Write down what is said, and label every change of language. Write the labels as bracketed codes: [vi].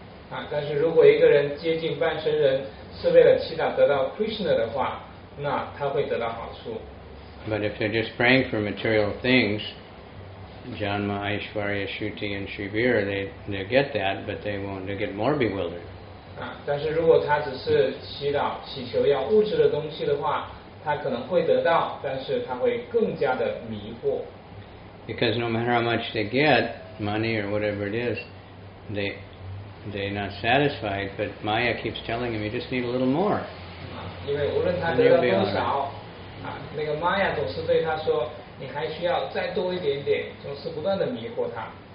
[zh] 啊，但是如果一个人接近半生人，是为了祈祷得到 Krishna 的话，那他会得到好处。 [en] But if they're just praying for material things, Janma, Aishwarya, Shruti, and Shrivira, they get that, but they won't. They get more bewildered. [zh] 啊，但是如果他只是祈祷祈求要物质的东西的话，他可能会得到，但是他会更加的迷惑。 [en] Because no matter how much they get, money or whatever it is, they're not satisfied, but Maya keeps telling them, you just need a little more. And you'll be all right.